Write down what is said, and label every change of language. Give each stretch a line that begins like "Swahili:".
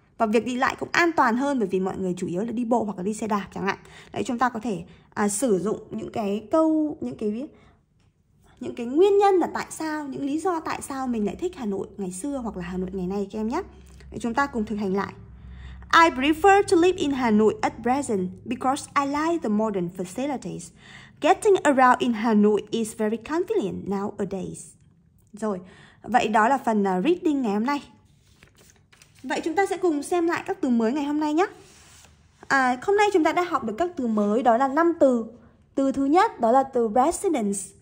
Vietnamese: Và việc đi lại cũng an toàn hơn bởi vì mọi người chủ yếu là đi bộ hoặc là đi xe đạp chẳng hạn. Đấy, chúng ta có thể sử dụng những cái nguyên nhân là tại sao, những lý do tại sao mình lại thích Hà Nội ngày xưa hoặc là Hà Nội ngày nay các em nhé. Để chúng ta cùng thực hành lại.
English: I prefer to live in Hà Nội at present because I like the modern facilities. Getting around in Hà Nội is very convenient nowadays.
Vietnamese: Rồi, vậy đó là phần reading ngày hôm nay. Vậy chúng ta sẽ cùng xem lại các từ mới ngày hôm nay nhé. Hôm nay chúng ta đã học được các từ mới, đó là 5 từ. Từ thứ nhất đó là từ residence.